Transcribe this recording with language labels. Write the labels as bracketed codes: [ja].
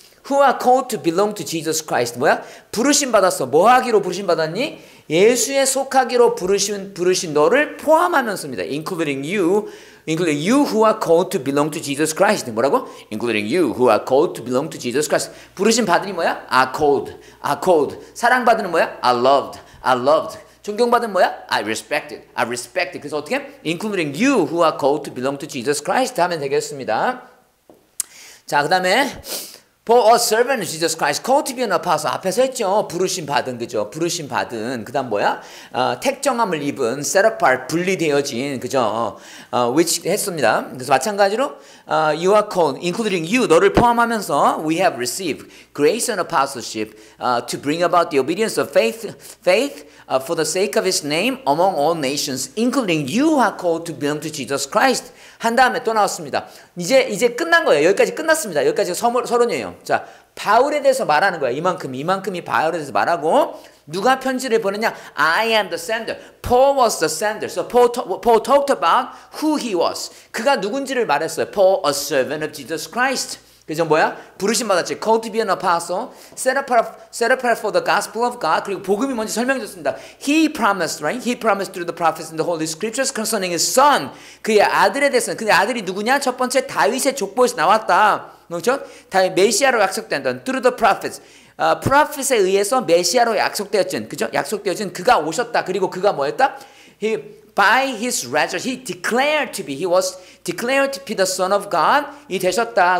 [en] Who are called to belong to Jesus Christ. [ko] 뭐야? 부르심 받았어. 뭐 하기로 부르심 받았니? 예수에 속하기로 부르신 너를 포함하면서입니다. [en] Including you who are called to belong to Jesus Christ. [ko] 뭐라고? [en] Including you who are called to belong to Jesus Christ. [ko] 부르심 받으니 뭐야? [en] Are called. [ko] 사랑받으니 뭐야? [en] Are loved. [ko] 존경받은 뭐야? [en] I respected. [ko] 그래서 어떻게? [en] Including you who are called to belong to Jesus Christ [ko] 하면 되겠습니다. 자, 그 다음에 [en] For a servant of Jesus Christ, called to be an apostle. [ko] 앞에서 했죠. 부르심 받은, 그죠? 부르심 받은. 그 다음 뭐야? 택정함을 입은, [en] set apart, [ko] 분리되어진, 그죠? Which 했습니다. [en] 그래서 마찬가지로, you are called, including you, [ko] 너를 포함하면서, [en] we have received grace and apostleship, to bring about the obedience of faith, for the sake of his name among all nations, including you are called to belong to Jesus Christ. [ko] 한 다음에 또 나왔습니다. 이제 끝난 거예요. 여기까지 끝났습니다. 여기까지 서론이에요. 자, 바울에 대해서 말하는 거야. 이만큼이 바울에 대해서 말하고 누가 편지를 보냈냐? [en] I am the sender. Paul was the sender. So Paul talked about who he was. [ko] 그가 누군지를 말했어요. [en] Paul, a servant of Jesus Christ. [ko] 그죠? 뭐야? 부르심 받았지. [en] Called to be an apostle. Set apart for the gospel of God. [ko] 그리고 복음이 뭔지 설명해 줬습니다. [en] He promised, right? He promised through the prophets and the holy scriptures concerning his son. [ko] 그의 아들에 대해서는. 근데 아들이 누구냐? 첫 번째 다윗의 족보에서 나왔다. 그렇죠? 다윗 메시아로 약속된다. [en] Through the prophets. [ko] Prophets에 의해서 메시아로 약속되었진. 그죠? 약속되었진. 그가 오셨다. 그리고 그가 뭐였다? [en] By his resurrection, he was declared to be the Son of God [ko] 이 되셨다.